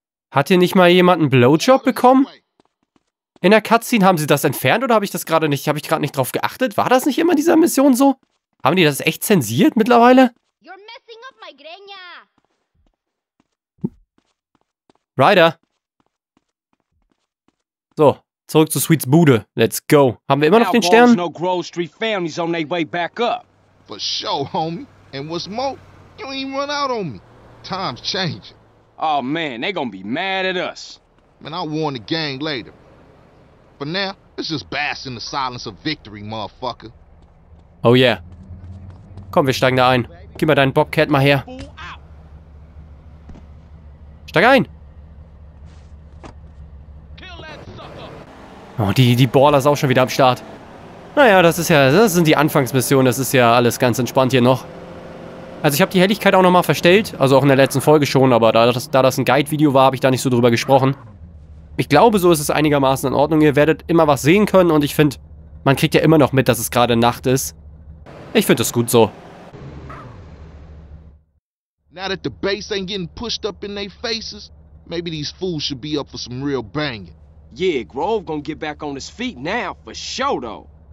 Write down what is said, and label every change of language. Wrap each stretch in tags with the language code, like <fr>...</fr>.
<de>Hat hier nicht mal jemand einen Blowjob bekommen? In der Cutscene haben sie das entfernt oder habe ich gerade nicht drauf geachtet? War das nicht immer in dieser Mission so? Haben die das echt zensiert mittlerweile?</de> <en>You're messing up my grenya. Ryder.</en> <de>So, zurück zu Sweets Bude.</de> <en>Let's go.</en> <de>Haben wir immer noch den Stern?</de> <en>No Grove Street families on their way back up. For sure, homie. And what's more, you ain't run out on me. Times change. Oh man, they gonna be mad at us. Man, I'll warn the gang later. For now, let's just bask in the silence of victory, motherfucker.</en> <de>Oh yeah. Komm, wir steigen da ein. Gib mir deinen Bobcat mal her. Steig ein! Oh, die Baller ist auch schon wieder am Start. Naja, das sind die Anfangsmissionen. Das ist ja alles ganz entspannt hier noch. Also ich habe die Helligkeit auch nochmal verstellt. Also auch in der letzten Folge schon, aber da das ein Guide-Video war, habe ich da nicht so drüber gesprochen. Ich glaube, so ist es einigermaßen in Ordnung. Ihr werdet immer was sehen können und ich finde, man kriegt ja immer noch mit, dass es gerade Nacht ist. Ich finde es gut so.</de> <en>Now that the bass ain't getting pushed up in their faces, maybe these fools should be up for some real banging. Yeah, Grove gonna get back on his feet now, for sure though.</en>